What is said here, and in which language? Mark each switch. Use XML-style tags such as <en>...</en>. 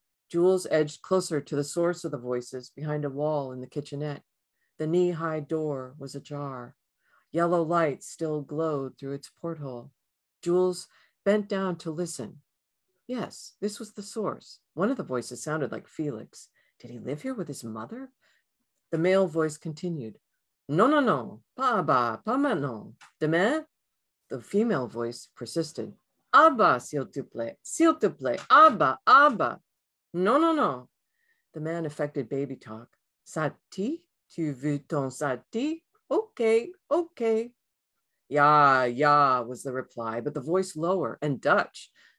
<en>Jules edged closer to the source of the voices behind a wall in the kitchenette. The knee-high door was ajar. Yellow light still glowed through its porthole. Jules bent down to listen. Yes, this was the source. One of the voices sounded like Felix. Did he live here with his mother? The male voice continued. No, no, no,</en> <fr>pas bas, pas maintenant, demain.</fr> <en>The female voice persisted.</en> <fr>Abba, s'il te plaît, abba, abba.</fr> <en>No, no, no. The man affected baby talk.</en> <fr>Sati, tu veux ton sati?</fr> <en>Okay, okay. Ja, ja, was the reply, but the voice lower and Dutch.</en>